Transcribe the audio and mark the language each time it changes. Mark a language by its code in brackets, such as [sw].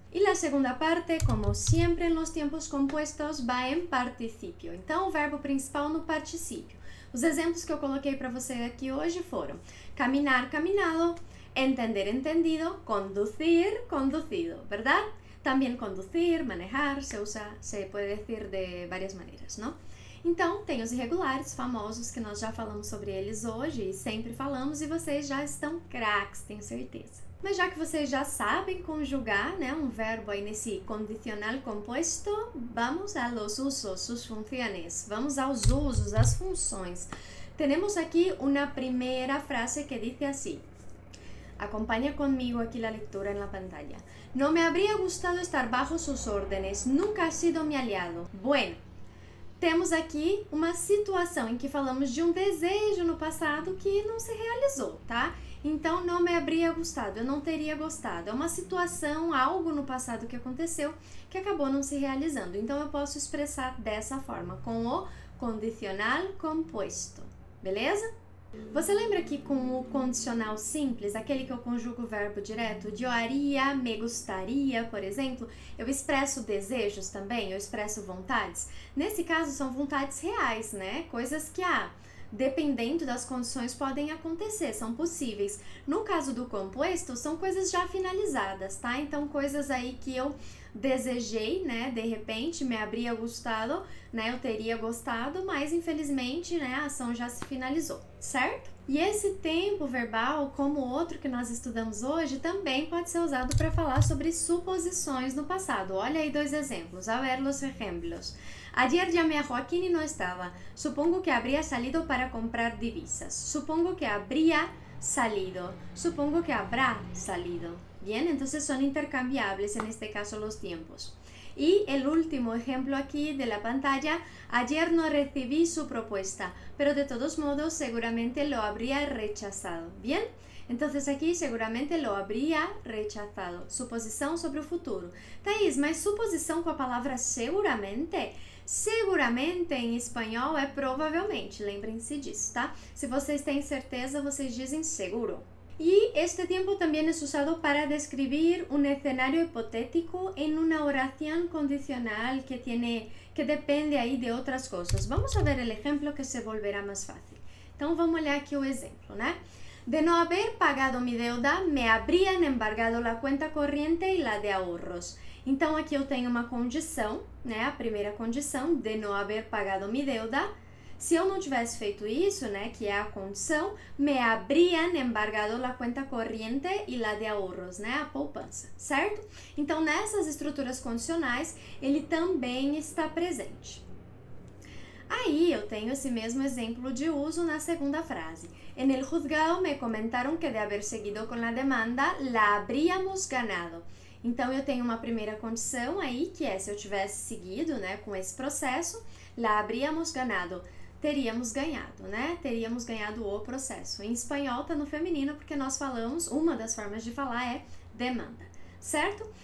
[pt] E a segunda parte, como sempre, nos tempos compostos, vai em participio. Então, o verbo principal no participio. Os exemplos que eu coloquei para você aqui hoje foram caminar, caminado, entender, entendido, conducir, conducido, ¿verdad? [es] También conducir, manejar, se usa, se puede decir de varias maneras, ¿no? [pt] Então, tem os irregulares famosos que nós já falamos sobre eles hoje e sempre falamos e vocês já estão craques, tenho certeza. Mas já que vocês já sabem conjugar, né, um verbo aí nesse condicional composto, [es] vamos a los usos, sus funciones. [pt] Vamos aos usos, às funções. Temos aqui uma primeira frase que diz assim. [es] Acompaña conmigo aquí la lectura en la pantalla. No me habría gustado estar bajo sus órdenes. Nunca ha sido mi aliado. [pt] Bueno, temos aqui uma situação em que falamos de um desejo no passado que não se realizou, tá? Então, não [es] me habría gustado. [pt] Eu não teria gostado. É uma situação, algo no passado que aconteceu que acabou não se realizando. Então, eu posso expressar dessa forma, com o condicional composto. Beleza? Você lembra que com o condicional simples, aquele que eu conjugo o verbo direto, yo haría, me gustaría, por exemplo, eu expresso desejos também, eu expresso vontades? Nesse caso, são vontades reais, né? Coisas que, dependendo das condições, podem acontecer, são possíveis. No caso do composto, são coisas já finalizadas, tá? Então, coisas aí que eu desejei, né, de repente, [es] me habría gustado, [pt] né, eu teria gostado, mas infelizmente, né, a ação já se finalizou, certo? E esse tempo verbal, como o outro que nós estudamos hoje, também pode ser usado para falar sobre suposições no passado. Olha aí dois exemplos, [es] a ver los ejemplos. Ayer llamé a Joaquín y no estaba. Supongo que habría salido para comprar divisas. Supongo que habría salido. Supongo que habrá salido. Bien, entonces son intercambiables en este caso los tiempos. Y el último ejemplo aquí de la pantalla, ayer no recibí su propuesta, pero de todos modos seguramente lo habría rechazado. Bien, entonces aquí seguramente lo habría rechazado. Suposición sobre el futuro. Thaís, ¿más suposición con la palabra seguramente? [pt] Seguramente em espanhol é provavelmente, lembrem-se disso, tá? Se vocês têm certeza, vocês dizem seguro. E este tempo também é usado para descrever um escenário hipotético em uma oração condicional que depende aí de outras coisas. [es] Vamos a ver [pt] o exemplo que [es] se volverá [pt] mais fácil. Então vamos olhar aqui o exemplo, né? [es] De não haber pagado mi deuda, me habrían embargado la cuenta corriente y la de ahorros. [pt] Então, aqui eu tenho uma condição, né? A primeira condição, de não [es] haber pagado mi deuda. [pt] Se eu não tivesse feito isso, né? Que é a condição, [es] me habrían embargado la cuenta corriente y la de ahorros, [pt] né? A poupança, certo? Então, nessas estruturas condicionais, ele também está presente. Aí, eu tenho esse mesmo exemplo de uso na segunda frase. [es] En el juzgado me comentaron que de haber seguido con la demanda, la habríamos ganado. [pt] Então, eu tenho uma primeira condição aí, que é se eu tivesse seguido, né, com esse processo, [es] la habríamos ganado. [pt] teríamos ganhado, né? Teríamos ganhado o processo. Em espanhol, tá no feminino, porque nós falamos, uma das formas de falar é demanda, certo?